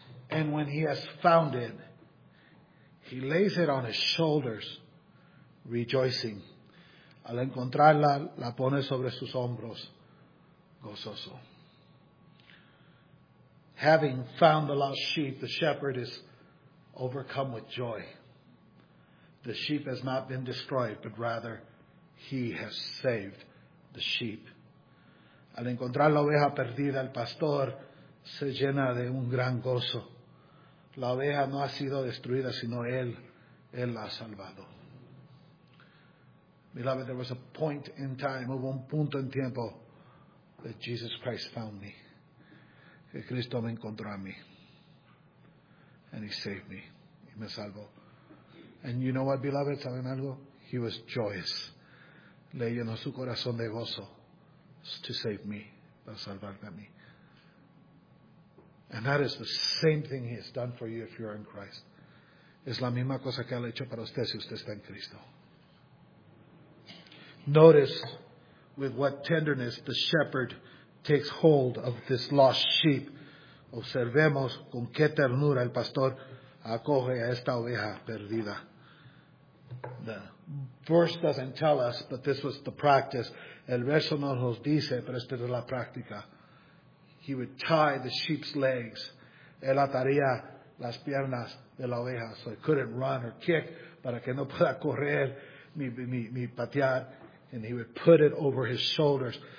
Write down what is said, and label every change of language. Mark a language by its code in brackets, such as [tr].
[en] And when he has found it, he lays it on his shoulders, rejoicing. [es] Al encontrarla, la pone sobre sus hombros, gozoso. [en] having found the lost sheep, the shepherd is overcome with joy. The sheep has not been destroyed, but rather he has saved the sheep. [es] Al encontrar la oveja perdida, el pastor se llena de un gran gozo. La oveja no ha sido destruida, sino él la ha salvado. [en] Beloved, there was a point in time, [es] hubo un punto en tiempo, [en] that Jesus Christ found me. [es] Que Cristo me encontró a mí. [en] And he saved me. [es] Y me salvó. [en] And you know what, beloved, [es] ¿saben algo? [en] He was joyous. [es] Le llenó su corazón de gozo. [en] To save me, [es] para salvarme a mí. [en] And that is the same thing he has done for you if you are in Christ. [es] Es la misma cosa que ha hecho para usted si usted está en Cristo. [en] Notice with what tenderness the shepherd takes hold of this lost sheep. [es] Observemos con qué ternura el pastor acoge a esta oveja perdida. [en] The verse doesn't tell us, but this was the practice. [es] El verso no nos dice, pero esta es la práctica. [en] He would tie the sheep's legs. [es] Él ataría las piernas de la oveja [en] so it couldn't run or kick, [es] para que no pueda correr ni patear. [en] And he would put it over his shoulders.